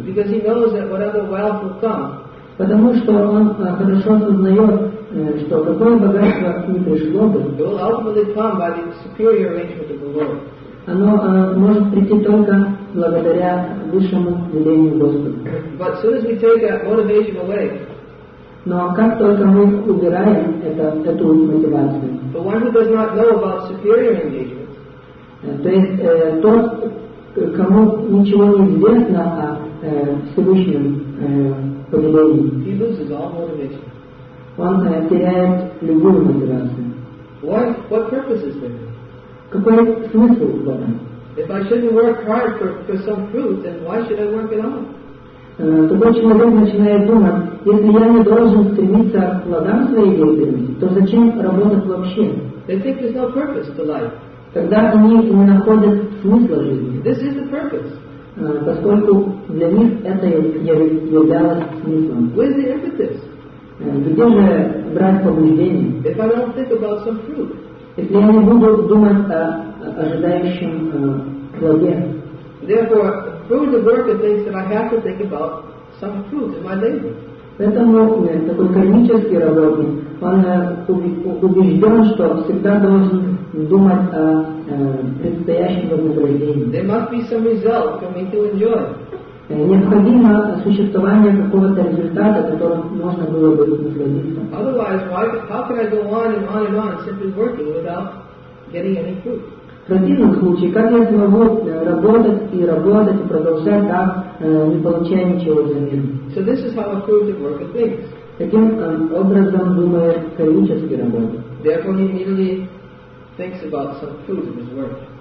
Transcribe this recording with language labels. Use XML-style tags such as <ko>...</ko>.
<en>Because he knows that whatever wealth will come,</en> <ru>потому что он хорошо осознает, что какое богатство не пришло бы,</ru> <en>it will ultimately come by the superior arrangement of the Lord.</en> <ru>Оно может прийти только благодаря высшему велению Господа.</ru> <en>But as soon as we take that motivation away,</en> <ru>но как только мы убираем эту мотивацию,</ru> <en>the one who does not know about superior engagement,</en> <ru>то есть тот, кому ничего не известно о Всевышнем повелении,</ru> <en>he loses all motivation.</en> <ru>Он теряет любую мотивацию.</ru> <en>What purpose is there?</en> <ru>Какой смысл в этом?</ru> <en>If I shouldn't work hard for some fruit, then why should I work at all?</en> <ru>Такой человек начинает думать, если я не должен стремиться к плодам своей деятельности, то зачем работать вообще?</ru> <en>They think there's no purpose to life.</en> <ru>Тогда они не находят смысла жизни.</ru> <en>This is the purpose.</en> <ru>Поскольку для них это являлось смыслом.</ru> <en>Where's the impetus?</en> <ru>Где же брать побуждение?</ru> <en>If I don't think about some fruit.</en> <ru>Если я не буду думать о ожидающем плоде.</ru> <en>Therefore, fruit of work is things that I have to think about some fruit in my labor.</en> <ru>Поэтому такой кармический работник, он убежден, что всегда должен думать о предстоящем вознаграждении.</ru> <en>There must be some result for me to enjoy.</en> <ru>Необходимо существование какого-то результата, которым можно было бы насладиться.</ru> <en>Otherwise, how can I go on and on and on simply working without getting any fruit?</en> <ru>В противном случае, как я смогу работать и продолжать так, не получая ничего взамен?</ru> <en>So this is how a fruit of work thinks.</en> <ru>Таким образом думает кармический работник.</ru> <en>Therefore, he immediately thinks about some fruit of his work.</en>